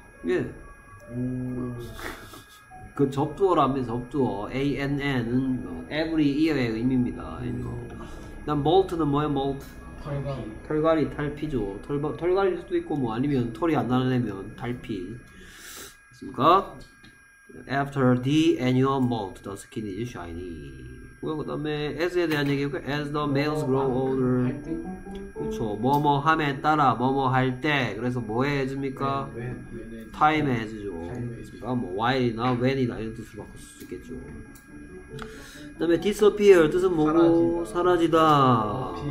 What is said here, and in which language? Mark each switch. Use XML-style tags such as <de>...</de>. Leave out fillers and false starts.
<ko>예. 오. 그 접두어라면 접두어. ANN은 every year의 의미입니다. 난 molt는 뭐야, molt? 털갈이. 털갈이, 탈피죠. 털갈일 수도 있고, 뭐, 아니면 털이 안 나려면 탈피. 됐습니까?</ko> <en>After the annual molt, the skin is shiny.</en> <ko>그리고 그 다음에 as에 대한 얘기가</ko> <en>as the males grow older.</en> <ko>그렇죠. 뭐뭐 함에 따라 뭐뭐 할 때. 그래서 뭐에 해줍니까? time에 해주죠. 그러니까 뭐 while이나 when이나 이런 뜻으로 바꿀 수 있겠죠. 그 다음에 disappear 뜻은 뭐고? 사라지다.</ko>